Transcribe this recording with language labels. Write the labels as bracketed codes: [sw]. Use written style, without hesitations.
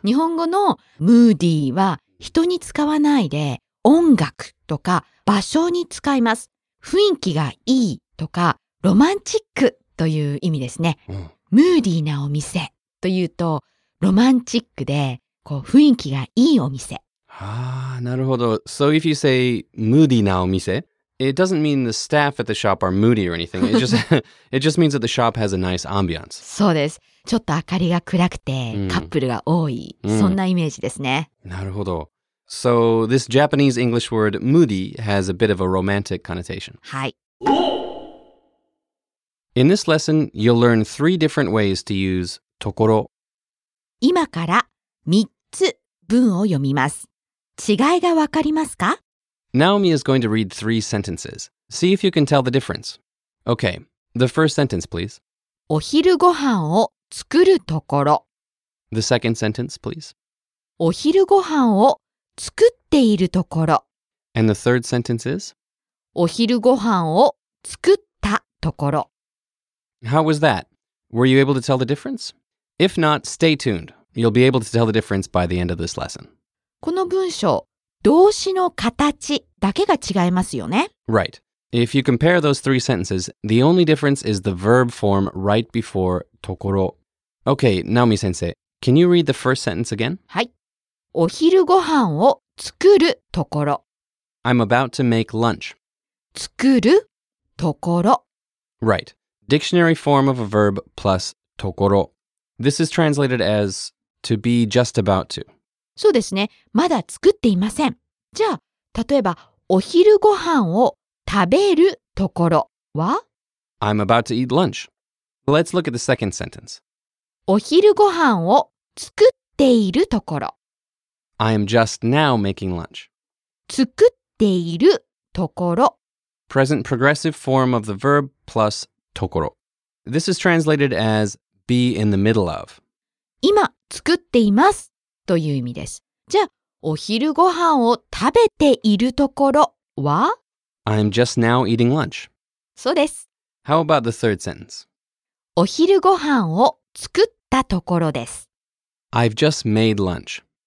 [ja] 日本語のムーディーは人に使わないで音楽とか場所に使います。雰囲気がいいとかロマンチックという意味ですね、うん、ムーディーなお店というとロマンチックでこう雰囲気がいいお店。あ、なるほど。 [en] So if you say [ja] ムーディーなお店、 [en] It doesn't mean the staff at the shop are moody or anything. It just means that the shop has a nice ambiance. [ja] そうです。ちょっと明かりが暗くて、カップルが多い、そんなイメージですね。なるほど。 [en] So this Japanese English word moody has a bit of a romantic connotation. [ja] はい。 [en] In this lesson, you'll learn three different ways to use ところ。 [ja] 今から3つ文を読みます。違いがわかりますか？ [en] Naomi is going to read three sentences. See if you can tell the difference. Okay, the first sentence, please. [ja] お昼ご飯を作るところ。 [en] The second sentence, please. [ja] お昼ご飯を作っているところ。 [en] And the third sentence is? [ja] お昼ご飯を作ったところ。 [en] How was that? Were you able to tell the difference? If not, stay tuned. You'll be able to tell the difference by the end of this lesson. [ja] この文章。動詞の形だけが違いますよね。 [en] Right. If you compare those three sentences, the only difference is the verb form right before ところ。 Okay, Naomi 先生、can you read the first sentence again? [ja] はい。お昼ご飯を作るところ。 [en] I'm about to make lunch. [ja] 作るところ。 [en] Right. Dictionary form of a verb plus ところ。 This is translated as to be just about to. [ja] そうですね。まだ作っていません。じゃあ、例えば、お昼ご飯を食べるところは？ [en] I'm about to eat lunch. Let's look at the second sentence. [ja] お昼ご飯を作っているところ。 [en] I am just now making lunch. [ja] 作っているところ。 [en] Present progressive form of the verb plus ところ。 This is translated as be in the middle of. [ja] 今、作っています。という意味です。じゃあ、お昼ご飯を食べているところは？ [en] I'm just now eating lunch. [ja] そうです。 [en] How about the third sentence? [ja] お昼ご飯を作ったところです。 [en] I've just made lunch.